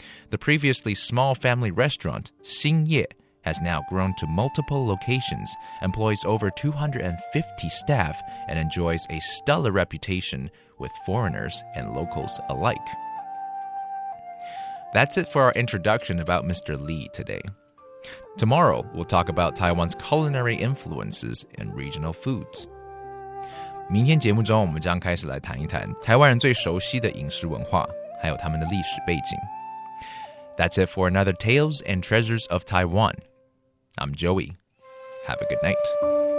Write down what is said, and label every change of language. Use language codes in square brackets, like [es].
[en] The previously small family restaurant, Xingye, has now grown to multiple locations, employs over 250 staff, and enjoys a stellar reputation with foreigners and locals alike. That's it for our introduction about Mr. Lee today. Tomorrow, we'll talk about Taiwan's culinary influences in regional foods. [zh] 明天节目中我们将开始来谈一谈台湾人最熟悉的饮食文化，还有他们的历史背景。 [en] That's it for another Tales and Treasures of Taiwan. I'm Joey. Have a good night.